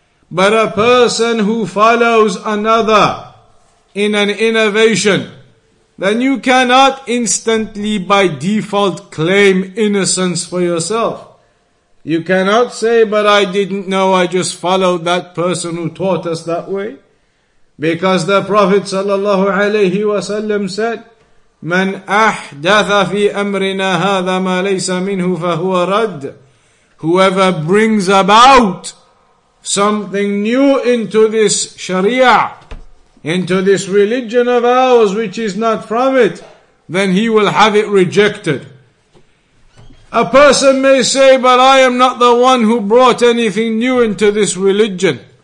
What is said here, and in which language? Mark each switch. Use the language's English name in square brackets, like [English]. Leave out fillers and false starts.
[English] But a person who follows another in an innovation, then you cannot instantly by default claim innocence for yourself. You cannot say, but I didn't know, I just followed that person who taught us that way. Because the Prophet sallallahu alayhi wa sallam said, [Arabic] من أحدث في أمرنا هذا ما ليس منه فهو رد. [English] Whoever brings about something new into this Sharia, into this religion of ours which is not from it, then he will have it rejected. A person may say, but I am not the one who brought anything new into this religion.